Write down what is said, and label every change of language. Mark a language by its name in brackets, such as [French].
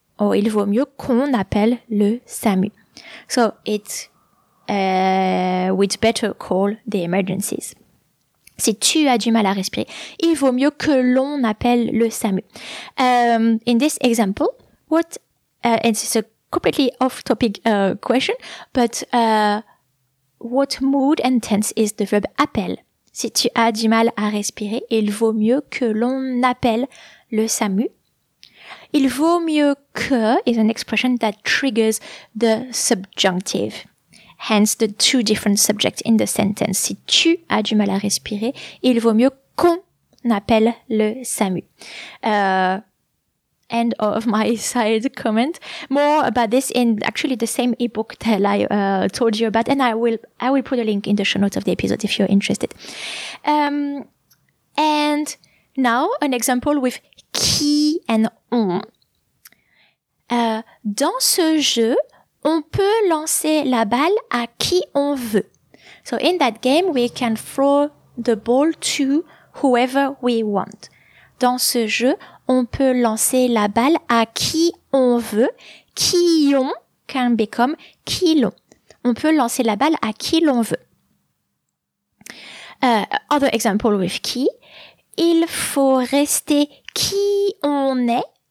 [French] Or il vaut mieux qu'on appelle le SAMU. [English] So it's we'd better call the emergencies. [French] Si tu as du mal à respirer, il vaut mieux que l'on appelle le SAMU. [English] In this example, what and it's a completely off-topic question, but what mood and tense is the verb appel? [French] Si tu as du mal à respirer, il vaut mieux que l'on appelle le SAMU. Il vaut mieux que [English] is an expression that triggers the subjunctive. Hence, the two different subjects in the sentence. [French] Si tu as du mal à respirer, il vaut mieux qu'on appelle le SAMU. [English] End of my side comment. More about this in actually the same ebook that I told you about. And I will put a link in the show notes of the episode if you're interested. And now an example with qui and on. [French] Dans ce jeu, on peut lancer la balle à qui on veut. [English] So in that game, we can throw the ball to whoever we want. [French] Dans ce jeu, on peut lancer la balle à qui on veut. Qui on [English] can become [French] qui l'on. On peut lancer la balle à qui l'on veut. [English] Other example with qui. [French] Il faut rester qui on est.